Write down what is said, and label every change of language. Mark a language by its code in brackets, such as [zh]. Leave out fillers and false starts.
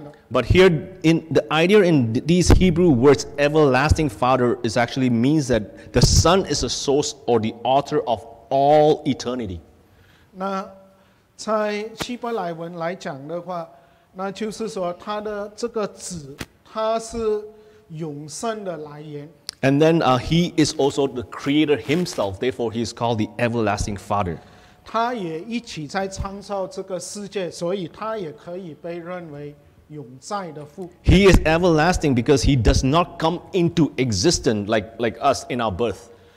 [en] But here, in the idea in these Hebrew words, everlasting Father, is actually means that the Son is the source or the author of all eternity. [zh] 那在希伯来文来讲的话，那就是说他的这个子，他是永生的来源。 [en] And then he is also the creator himself, therefore he is called the everlasting Father. [zh] 他也一起在创造这个世界，所以他也可以被认为永在的父。He [en] is everlasting because he does not come into existence like us in our birth.